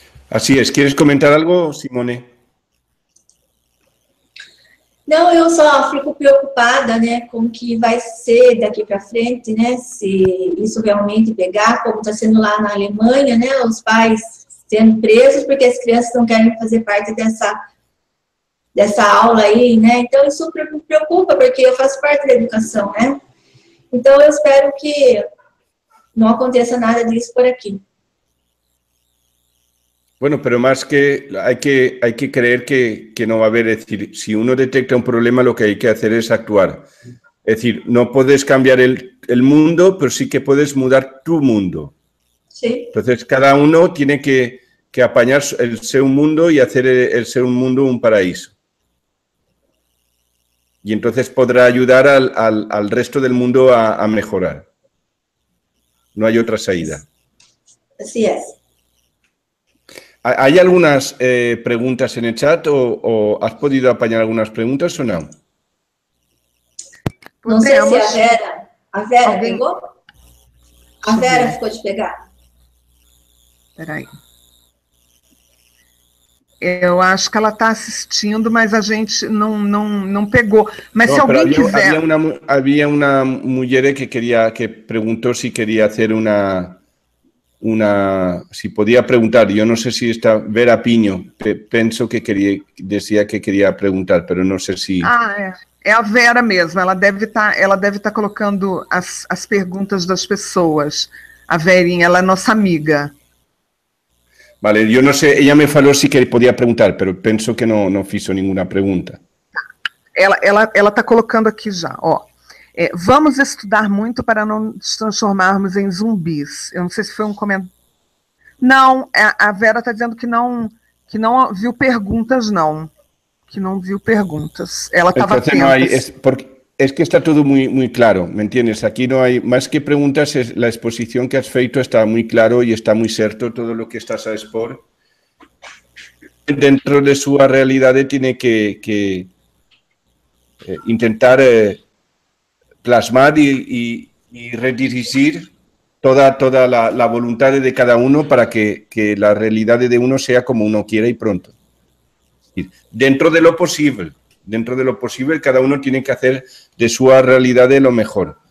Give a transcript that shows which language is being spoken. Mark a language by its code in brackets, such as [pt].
[es] Así es, ¿quieres comentar algo, Simone? No, yo [pt] só fico preocupada, né, com o que vai ser daqui para frente, né, se isso realmente pegar, como está sendo lá na Alemanha, né, os pais sendo presos porque as crianças não querem fazer parte dessa aula aí, né, então isso me preocupa, porque eu faço parte da educação, né, então eu espero que não aconteça nada disso por aqui. [es] Bueno, pero más que hay que creer que no va a haber, es decir, si uno detecta un problema, lo que hay que hacer es actuar. Es decir, no puedes cambiar el mundo, pero sí que puedes mudar tu mundo. Sí. Entonces, cada uno tiene que apañar el seu mundo y hacer el seu mundo un paraíso. Y entonces podrá ayudar al resto del mundo a mejorar. No hay otra salida. Así es. ¿Hay algunas preguntas en el chat o has podido apañar algunas preguntas o no? No sé si a Vera. ¿A Vera llegó? [pt] A Vera ficou de pegar. Espera aí. Eu acho que ela está assistindo, mas a gente não pegou. Mas não, se alguém [es] había, [pt] quiser. Havia uma mulher que perguntou se queria fazer uma. [es] Si podía preguntar, yo no sé si está Vera Piño, pienso que quería, decía que quería preguntar, pero no sé si... Ah, es la Vera [pt] mesmo, ela deve estar colocando [es] las preguntas de las personas, a Verinha, ella es nuestra amiga. Vale, yo no sé, ella [pt] me falou [es] si podía preguntar, pero pienso que no hizo ninguna pregunta. [pt] Ela está colocando aquí ya, ó. Vamos estudar muito para não nos transformarmos em zumbis. Eu não sei se foi um comentário. Não, a Vera está dizendo que não viu perguntas, não. Que não viu perguntas. Ela estava atenta. [es] Es que [pt] está tudo muito claro, [es] me entiendes? [pt] Aqui não há mais que perguntas, a exposição que has feito está muito claro e está muito certo tudo o que estás a expor. Dentro de sua realidade, tem que intentar... [es] plasmar y redirigir toda la voluntad de cada uno para que la realidad de uno sea como uno quiera y pronto. Dentro de lo posible, cada uno tiene que hacer de su realidad lo mejor.